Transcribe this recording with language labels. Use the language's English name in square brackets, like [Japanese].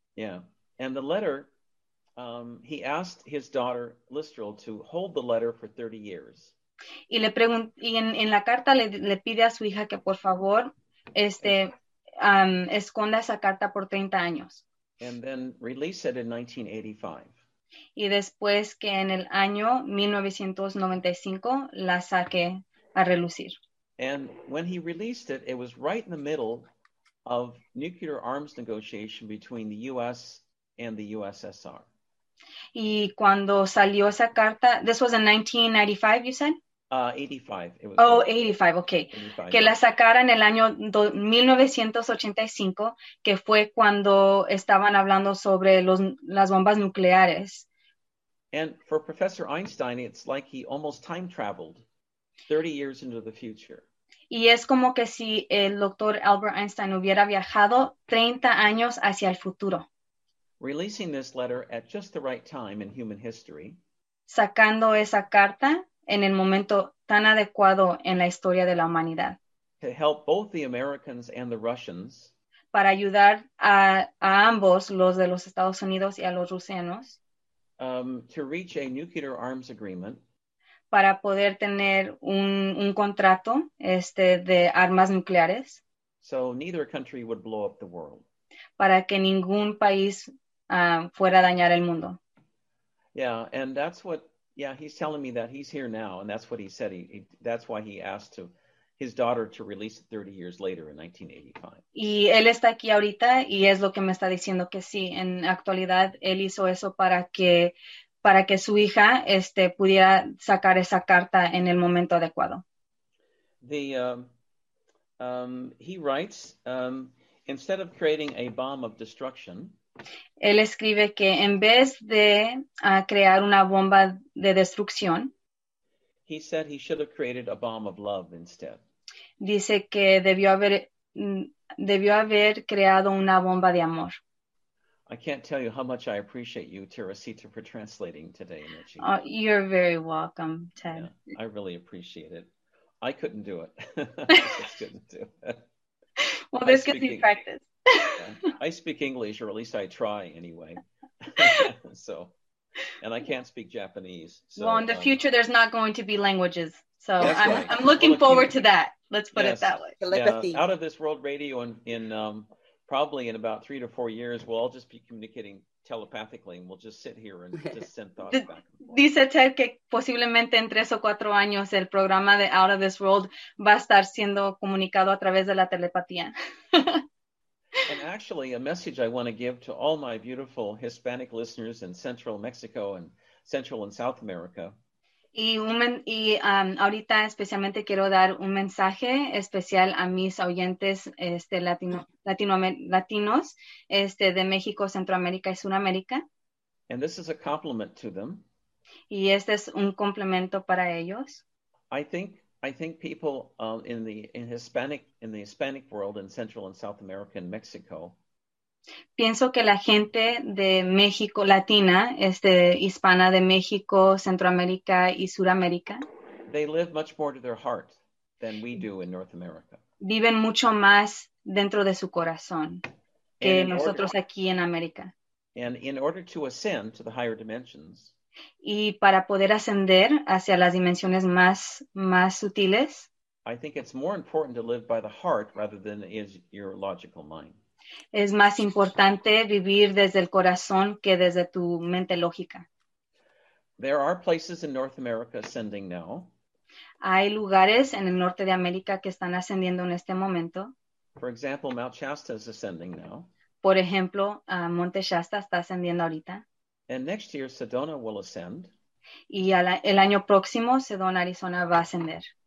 [English] Yeah. And the letter, he asked his daughter Listrel to hold the letter for 30 years. [Spanish] Y le y en la carta le pide a su hija que por favor esconda esa carta por 30 años. [English] And then release it in 1985. [Spanish] Y después que en el año 1995 la saque a relucir. [English] And when he released it, it was right in the middle of nuclear arms negotiation between the U.S. and the USSR. [Spanish] Y cuando salió esa carta, [English] this was in 1995, you said? 85. It was 85, okay. 85. [Spanish] Que la sacara en el año 1985, que fue cuando estaban hablando sobre las bombas nucleares. [English] And for Professor Einstein, it's like he almost time-traveled 30 years into the future. [Spanish] Y es como que si el doctor Albert Einstein hubiera viajado 30 años hacia el futuro. [English] Releasing this letter at just the right time in human history. [Spanish] Sacando esa carta en el momento tan adecuado en la historia de la humanidad. [English] To help both the Americans and the Russians. [Spanish] Para ayudar a ambos, los de los Estados Unidos y a los rusianos. [English] To reach a nuclear arms agreement. [Spanish] Para poder tener un contrato de armas nucleares. [English] So neither country would blow up the world. [Spanish] Para que ningún país fuera a dañar el mundo. [English] Yeah, and that's what. Yeah, he's telling me that he's here now, and that's what he said. That's why he asked his daughter to release it 30 years later in 1985. [Spanish] Y él está aquí ahorita, y es lo que me está diciendo que sí. En actualidad, él hizo eso para que su hija pudiera sacar esa carta en el momento adecuado. [English] He writes, instead of creating a bomb of destruction. [Spanish] Él escribe que en vez de crear una bomba de destrucción, [English] he said he should have created a bomb of love instead. [Spanish] Dice que debió haber creado una bomba de amor. [English] I can't tell you how much I appreciate you, Teresita, for translating today, Michi. You're very welcome, Ted. Yeah, I really appreciate it. I couldn't do it. I just couldn't do it. Well, this gives me practice. I speak English, or at least I try anyway. So, and I can't speak Japanese. So, well, in the future, there's not going to be languages. So I'm looking forward to that. Let's put it that way. Telepathy. Yeah, out of this world radio in probably in about 3 to 4 years, we'll all just be communicating telepathically, and we'll just sit here and just send thoughts back and [Spanish] forth. Dice Ted que posiblemente en 3 o 4 años el programa de Out of This World va a estar siendo comunicado a través de la telepatía. [English] And actually, a message I want to give to all my beautiful Hispanic listeners in Central Mexico and Central and South America. [Spanish] Y ahorita especialmente quiero dar un mensaje especial a mis oyentes latinos de México, Centroamérica y Sudamérica. [English] And this is a compliment to them. [Spanish] Y este es un complemento para ellos. [English] I think people in the Hispanic world in Central and South America and Mexico. [Spanish] Pienso que la gente de México latina, hispana de México, Centroamérica y Sudamérica. [English] They live much more to their heart than we do in North America. [Spanish] Viven mucho más dentro de su corazón que nosotros aquí en América. [English] And in order to ascend to the higher dimensions. [Spanish] Y para poder ascender hacia las dimensiones más sutiles. [English] I think it's more important to live by the heart rather than is your logical mind. [Spanish] Es más importante vivir desde el corazón que desde tu mente lógica. [English] There are places in North America ascending now. [Spanish] Hay lugares en el norte de América que están ascendiendo en este momento. [English] For example, Mount Shasta is ascending now. [Spanish] Por ejemplo, Monte Shasta está ascendiendo ahorita. [English] And next year, Sedona will ascend. [Spanish] Y el año próximo, Sedona, Arizona va a ascender.